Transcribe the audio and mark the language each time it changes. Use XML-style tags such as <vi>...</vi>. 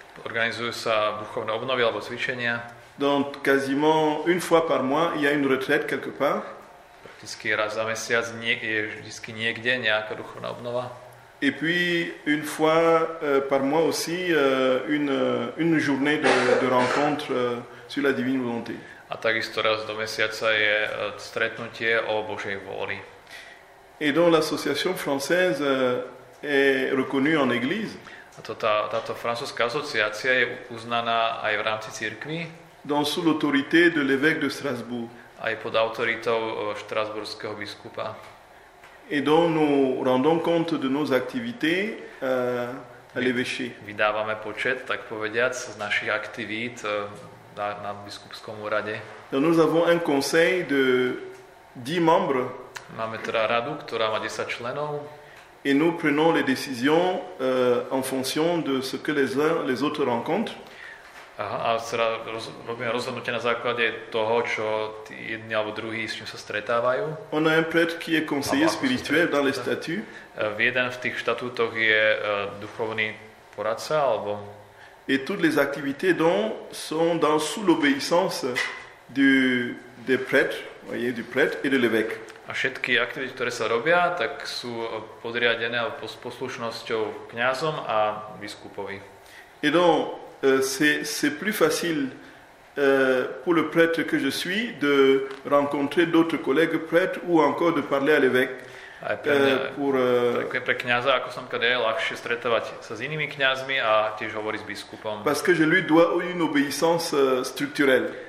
<sk>Organizujú sa duchovné obnovy alebo cvičenia.</sk> <fr>Donc, quasiment une fois par mois, il y a une retraite quelque part.</fr> <sk>Prakticky raz za mesiac je vždycky niekde nejaká duchovná obnova.</sk> <fr>Et puis, une fois par mois aussi, une journée de rencontre sur la divine volonté.</fr> <sk>A takisto raz do mesiaca je stretnutie o Božej vôli.</sk> <fr>Et donc l'association française est reconnue en église.</fr> <sk>A to táto francúzska asociácia je uznaná aj v rámci cirkvi.</sk> <fr>Donc sous l'autorité de l'évêque de Strasbourg.</fr> <sk>Aj pod autoritou štrasburského biskupa.</sk> <fr>Et donc nous rendons compte de nos activités à l'évêché.</fr> <sk>Vydávame počet, tak povediac, z našich aktivít na biskupskom úrade.</sk> <fr>Nous avons un conseil de 10 membres.</fr> <sk>Máme teda radu, ktorá má 10 členov.</sk> <fr>Et nous prenons les décisions en fonction de ce que les autres rencontrent.</fr> <sk>Aha, a teda robíme rozhodnutie na základe toho, čo jedni alebo druhí s čím sa stretávajú.</sk> <fr>On a un prêtre qui est conseiller spirituel dans les statuts.</fr> <sk>Jeden v tých štatútoch je duchovný poradca alebo.</sk> <fr>Et toutes les activités dont sont dans sous l'obéissance du prêtre, voyez, du prêtre et de l'évêque.</fr> <sk>A všetky aktivity, ktoré sa robia, tak sú podriadené alebo s poslušnosťou kňazom a biskupovi.</sk> <fr>Et donc c'est plus facile pour le prêtre que je suis de rencontrer d'autres collègues prêtres ou encore de parler à l'évêque.</fr> <sk>Pre kňaza, ako som kde, je ľahšie stretávať sa s inými kňazmi a tiež hovoriť s biskupom.</sk> <fr>Parce que je lui dois une obéissance structurelle.</fr>